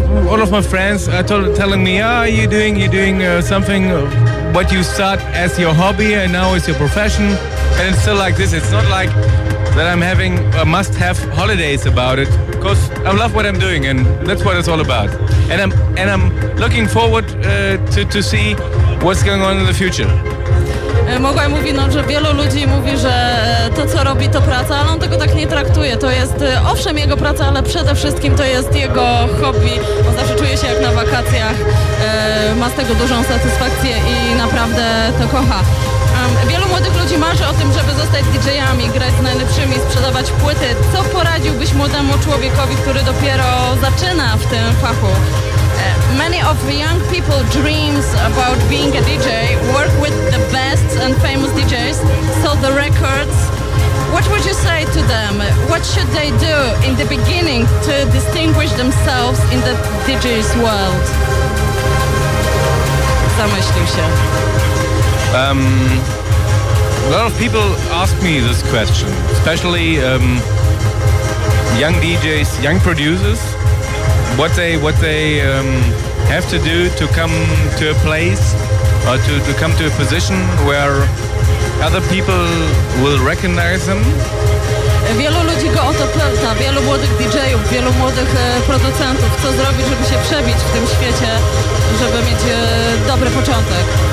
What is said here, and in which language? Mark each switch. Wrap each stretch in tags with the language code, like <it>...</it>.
<en>All of my friends are telling me, you're doing something, what you start as your hobby and now it's your profession. And it's still like this. It's not like that I'm having a must-have holidays about it. Cause I love what I'm doing and that's what it's all about. And I'm looking forward to see what's going on in the future.</en> <pl>Mogłaj mówi, no, że wielu ludzi mówi, że to, co robi, to praca, ale on tego tak nie traktuje. To jest, owszem, jego praca, ale przede wszystkim to jest jego hobby. On zawsze czuje się jak na wakacjach, ma z tego dużą satysfakcję i naprawdę to kocha. Wielu młodych ludzi marzy o tym, żeby zostać DJ-ami, grać z najlepszymi, sprzedawać płyty. Co poradziłbyś młodemu człowiekowi, który dopiero zaczyna w tym fachu?</pl> <en>Many of the young people dreams about being a DJ, work with the best and famous DJs, sell the records. What would you say to them? What should they do in the beginning to distinguish themselves in the DJ's world?</en> <pl>Zamyślił się.</pl> <en>A lot of people ask me this question, especially young DJs, young producers, what they have to do to come to a place or to come to a position where other people will recognize them.</en> <pl>Wielu ludzi go o to pyta, wielu młodych DJ-ów, wielu młodych producentów, co zrobić, żeby się przebić w tym świecie, żeby mieć dobry początek.</pl>